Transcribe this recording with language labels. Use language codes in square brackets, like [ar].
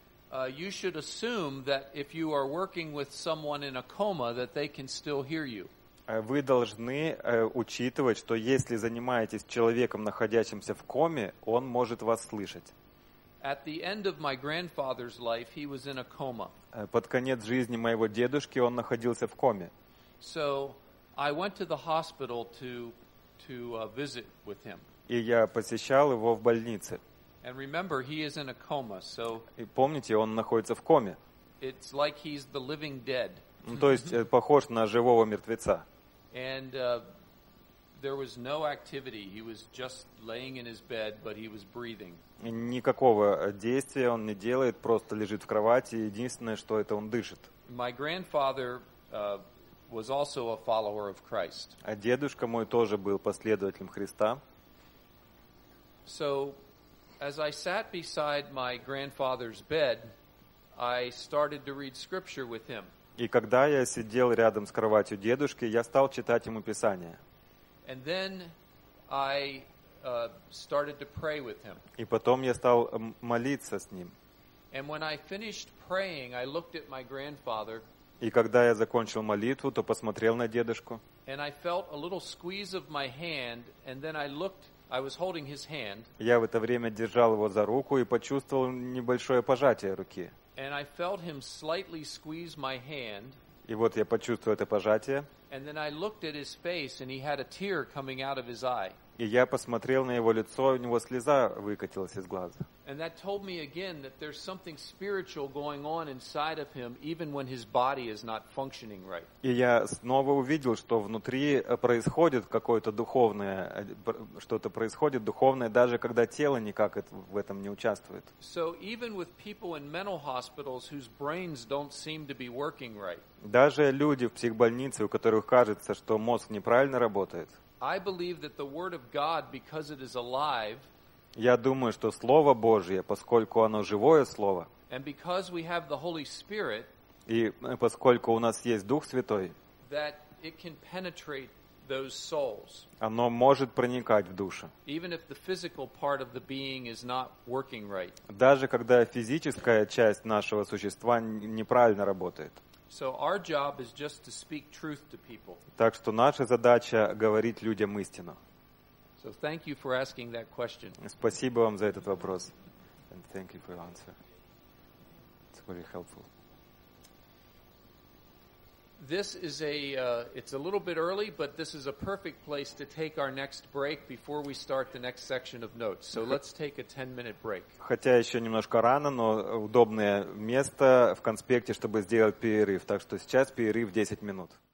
[en] You should assume that if you are working with someone in a coma that they can still hear you. [ru] Вы должны учитывать, что если занимаетесь человеком, находящимся в коме, он может вас слышать. [en] At the end of my grandfather's life, he was in a coma. [ru] Под конец жизни моего дедушки он находился в коме. [en] So I went to the hospital to visit with him. [ru] И я посещал его в больнице. [en] And remember, he is in a coma, so. [ru] И помните, он находится в коме. [en] It's like he's the living dead. [ru] То есть похож на живого мертвеца. [en] And there was no activity. He was just laying in his bed, but he was breathing. [ru] Никакого действия он не делает, просто лежит в кровати. Единственное, что это он дышит. [en] My grandfather was also a follower of Christ. [ru] А дедушка мой тоже был последователем Христа. [en] So, as I sat beside my grandfather's bed, I started to read scripture with him. [ru] И когда я сидел рядом с кроватью дедушки, я стал читать ему Писание. [en] And then I started to pray with him. [ru] И потом я стал молиться с ним. [en] And when I finished praying, I looked at my grandfather. [ru] И когда я закончил молитву, то посмотрел на дедушку. [en] And I felt a little squeeze of my hand, and then I looked. I was holding his hand. [ru] Я в это время держал его за руку и почувствовал небольшое пожатие руки. [en] And I felt him slightly squeeze my hand. [ru] И вот я почувствовал это пожатие. [en] And then I looked at his face, and he had a tear coming out of his eye. [ru] И я посмотрел на его лицо, у него слеза выкатилась из глаза. [en] And that told me again that there's something spiritual going on inside of him, even when his body is not functioning right. [ru] И я снова увидел, что внутри происходит какое-то духовное, что-то происходит духовное, даже когда тело никак в этом не участвует. [en] So even with people in mental hospitals whose brains don't seem to be working right. [ru] Даже люди в психбольнице, у которых кажется, что мозг неправильно работает. [en] I believe that the word of God, because it is alive, [ru] я думаю, что слово Божье, поскольку оно живое слово, [en] and because we have the Holy Spirit, [ru] и поскольку у нас есть Дух Святой, [en] that it can penetrate those souls. [ru] Оно может проникать в души. [en] Even if the physical part of the being is not working right. [ru] Даже когда физическая часть нашего существа неправильно работает. [en] So our job is just to speak truth to people. [ru] Так что наша задача говорить людям истину. [en] So thank you for asking that question. [ru] Спасибо вам за этот вопрос. [en] And thank you for your answer. It's very helpful. This is it's a little bit early, but this is a perfect place to take our next break before we start the next section of notes. So let's take a 10-minute break. [ru] Хотя ещё немножко рано, но удобное место в конспекте, чтобы сделать перерыв. Так что сейчас перерыв 10 минут.